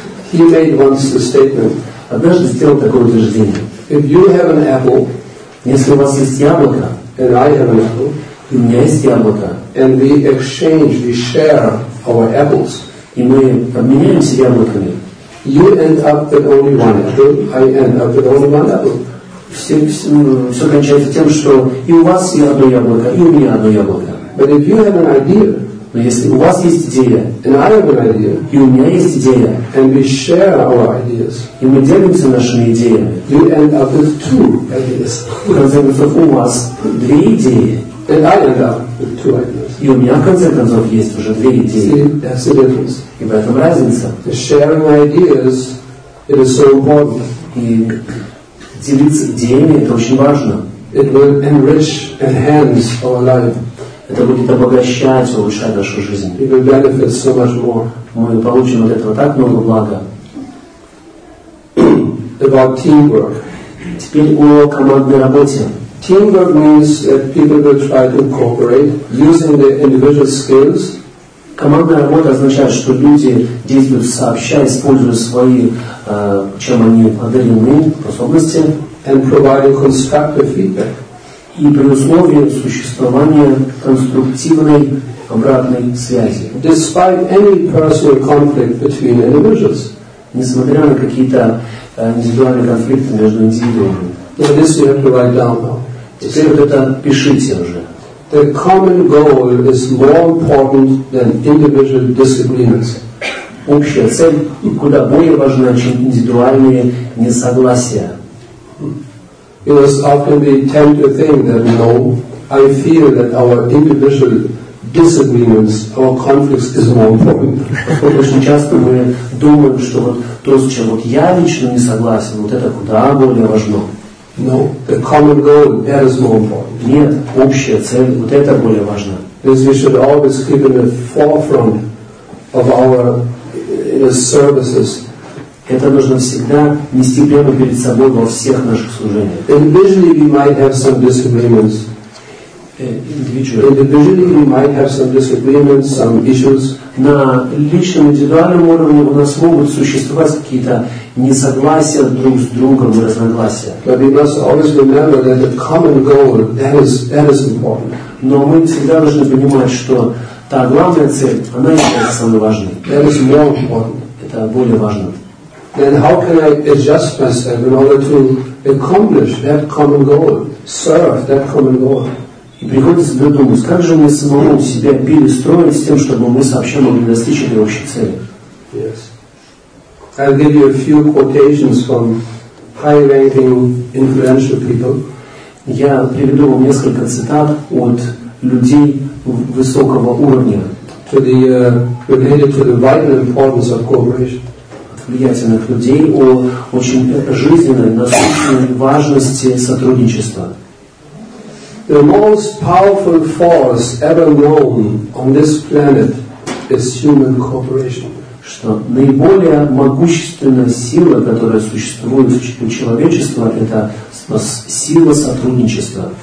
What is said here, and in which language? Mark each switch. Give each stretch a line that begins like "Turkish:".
English: He made once a statement.
Russian: Однажды сделал такое утверждение.
English: If you have an apple,
Russian: если у вас есть яблоко,
English: and I have an apple,
Russian: и у меня есть яблоко,
English: and we exchange, we share our apples,
Russian: и мы обменяемся яблоками,
English: you end up with only one apple, I end up with only one apple.
Russian: Все кончается тем, что и у вас есть одно яблоко, и у меня одно яблоко.
English: But if you have an idea,
Russian: но если у вас есть идея,
English: and I have an idea,
Russian: и у меня есть идея,
English: and we share our ideas,
Russian: и мы делимся нашими идеями,
English: you end up with two ideas.
Russian: В конце концов, у вас две идеи,
English: and I end up with two ideas.
Russian: И у меня в конце концов есть уже две идеи.
English: See, that's the difference.
Russian: И в этом разница.
English: The sharing ideas, it is so important.
Russian: И делиться идеями – это очень важно.
English: It will enrich, enhance our life.
Russian: Это будет обогащать, улучшать нашу жизнь.
English: It will benefit so much more.
Russian: Мы получим от этого так много блага.
English: About teamwork.
Russian: Теперь о командной работе.
English: Teamwork means that people will try to cooperate using their individual skills.
Russian: Командная работа означает, что люди действуют сообща, используя свои, чем они одарены, способности.
English: And providing constructive feedback.
Russian: И при условии существования конструктивной обратной связи.
English: Despite any personal conflict between individuals.
Russian: Несмотря на какие-то индивидуальные конфликты между индивидуумами.
English: So this you have to write down now.
Russian: Теперь вот это пишите уже.
English: The common goal is more important than individual disagreements.
Russian: Общая цель куда более важна, чем индивидуальные несогласия.
English: It is often we tend to think that no, I feel that our individual disagreements, our conflicts is more important.
Russian: Очень часто мы думаем, что вот то, с чем вот я лично не согласен, вот это куда более важно.
English: No, the common goal, that is more important.
Russian: Нет, общая цель, вот это более важно.
English: Because we should always keep in the forefront of our services.
Russian: Это нужно всегда нести прямо перед собой во всех наших служениях.
English: And visually we might have some disagreements. individually. Individually, we might have some disagreements, some issues.
Russian: На личном индивидуальном уровне у нас могут существовать какие-то несогласия друг с другом, разногласия.
English: But we must always remember that the common goal that is important.
Russian: Но мы всегда должны понимать, что та главная цель, она является самой важной.
English: That is more important.
Russian: Это более важно.
English: Then how can I adjust myself in order to accomplish that common goal, serve that common goal?
Russian: И приходится додумать, как же мне самому себя перестроить с тем, чтобы мы сообща могли достичь этой общей цели?
English: Yes. I'll give you a few quotations from high-ranking influential people.
Russian: Я приведу вам несколько цитат от людей высокого уровня.
English: To the related to the vital importance of cooperation.
Russian: Влиятельных людей о очень жизненной, насущной важности сотрудничества.
English: The most powerful force ever known on this planet is human cooperation.
Russian: Что наиболее могущественная сила, которая существует у человечества, это сила сотрудничества.